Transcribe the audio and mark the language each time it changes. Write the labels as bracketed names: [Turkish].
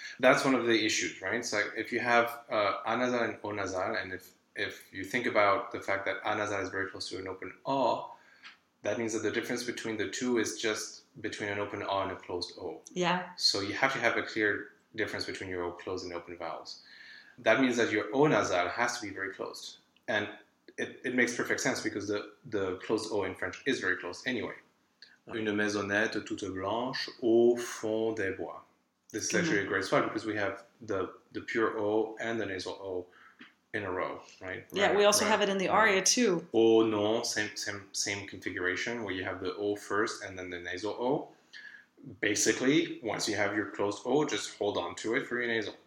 [English] That's one of the issues, right? So if you have A-nasal and O-nasal, and if you think about the fact that A-nasal is very close to an open A, that means that the difference between the two is just between an open A and a closed O. Yeah. So you have to have a clear difference between your O closed and open vowels. That means that your O nasal has to be very closed. And it makes perfect sense because the closed O in French is very closed anyway. [French] Une maisonnette toute blanche au fond des bois. [English] This is actually a great spot because we have the pure O and the nasal O in a row, right? Yeah, we also have it in the aria too. Oh no, same configuration where you have the O first and then the nasal O. Basically, once you have your closed O, just hold on to it for your nasal.